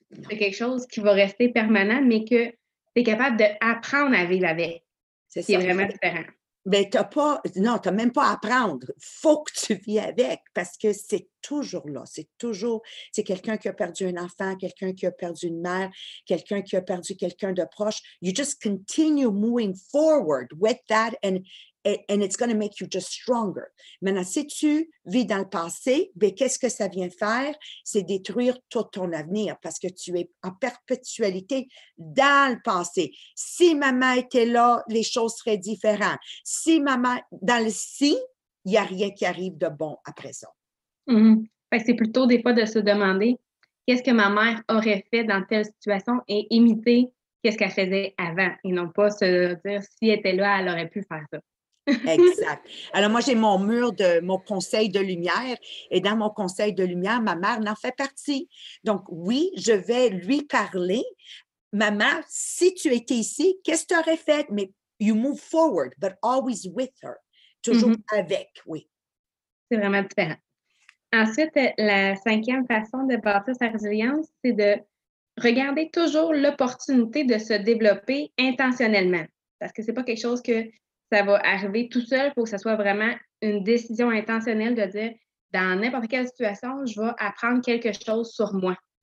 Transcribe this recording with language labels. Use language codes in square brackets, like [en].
[fr] C'est quelque chose qui va rester permanent, mais que tu es capable d'apprendre à vivre avec. C'est ça, vraiment c'est... différent. Mais t'as pas, non, t'as même pas à apprendre. Faut que tu vis avec parce que c'est toujours là. C'est quelqu'un qui a perdu un enfant, quelqu'un qui a perdu une mère, quelqu'un qui a perdu quelqu'un de proche. [en] You just continue moving forward with that and it's going to make you just stronger. [fr] Maintenant, si tu vis dans le passé, bien, qu'est-ce que ça vient faire? C'est détruire tout ton avenir parce que tu es en perpétualité dans le passé. Si maman était là, les choses seraient différentes. Si maman, dans le si, il n'y a rien qui arrive de bon à présent. Mm-hmm. Fait que c'est plutôt des fois de se demander qu'est-ce que ma mère aurait fait dans telle situation et imiter qu'est-ce qu'elle faisait avant et non pas se dire si elle était là, elle aurait pu faire ça. Exact. Alors, moi, j'ai mon mur de mon conseil de lumière et dans mon conseil de lumière, ma mère n'en fait partie. Donc, oui, je vais lui parler. Maman, si tu étais ici, qu'est-ce que tu aurais fait? [en] Mais you move forward, but always with her. [fr] Toujours mm-hmm. avec, oui. C'est vraiment différent. Ensuite, la cinquième façon de bâtir sa résilience, c'est de regarder toujours l'opportunité de se développer intentionnellement. Parce que c'est pas quelque chose que ça va arriver tout seul pour que ce soit vraiment une décision intentionnelle de dire dans n'importe quelle situation, je vais apprendre quelque chose sur moi.